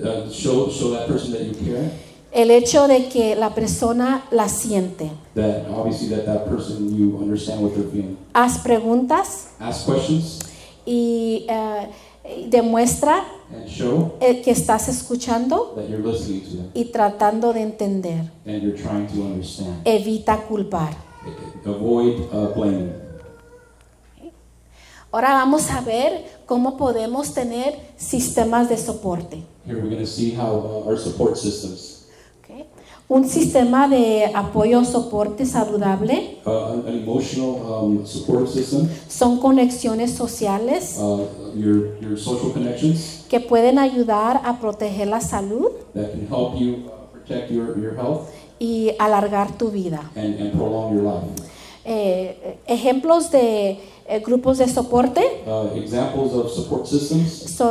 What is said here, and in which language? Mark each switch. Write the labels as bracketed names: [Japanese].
[English] Show that person that you care. [Spanish] El hecho de que la persona la siente. [English] That obviously that person you understand what they're feeling. [Spanish] Haz preguntas. [English] Ask questions. [Spanish] Y demuestra. [English] And show. [Spanish] Que estás escuchando. [English] That you're listening to them. [Spanish] Y tratando de entender. [English] And you're trying to understand. [Spanish] Evita culpar. [English] Avoid blame. [Spanish] Ahora vamos a ver cómo podemos tener sistemas de soporte. [English] Here we're going to see how our support systems. Okay. [Spanish] Un sistema de apoyo o soporte saludable. [English] An emotional support system. [Spanish] Son conexiones sociales. [English] Your social connections. [Spanish] Que pueden ayudar a proteger la salud. [English] That can help you protect your health. [Spanish] Y alargar tu vida. [English] And prolong your life. [Spanish] Ejemplos de grupos de soporte. [English] Examples of support systems.